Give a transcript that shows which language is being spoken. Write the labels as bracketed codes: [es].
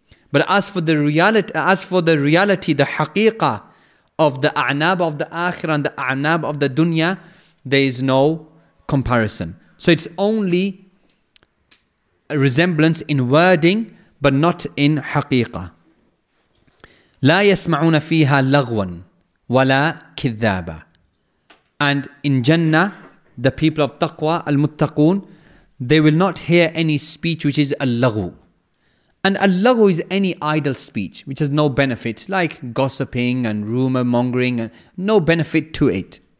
[en] But as for the reality, the haqiqah of the a'nab of the akhirah and the a'nab of the dunya, there is no comparison. So it's only a resemblance in wording, but not in haqiqah. [ar] لا يسمعون فيها لغوا ولا كذابا. [en] And in Jannah, the people of Taqwa, Al-Muttaqoon, they will not hear any speech which is al-lagu. And al-lagu is any idle speech which has no benefit, like gossiping and rumor mongering, no benefit to it.